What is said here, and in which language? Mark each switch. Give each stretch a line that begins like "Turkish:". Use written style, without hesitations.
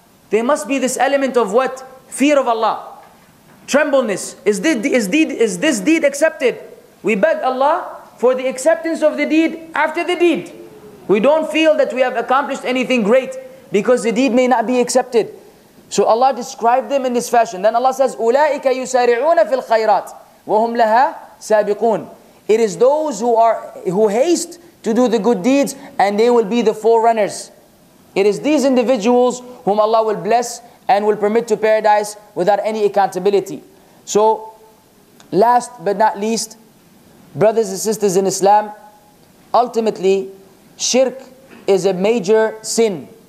English: There must be this element of what? Fear of Allah. Trembleness. Is this deed accepted? We beg Allah for the acceptance of the deed after the deed. We don't feel that we have accomplished anything great because the deed may not be accepted. So Allah described them in this fashion. Then Allah says,
Arabic: أُولَٰئِكَ يُسَارِعُونَ فِي الْخَيْرَاتِ وَهُمْ لَهَا سَابِقُونَ.
English: It is those who haste to do the good deeds, and they will be the forerunners. It is these individuals whom Allah will bless and will permit to paradise without any accountability. So, last but not least, brothers and sisters in Islam, ultimately, shirk is a major sin.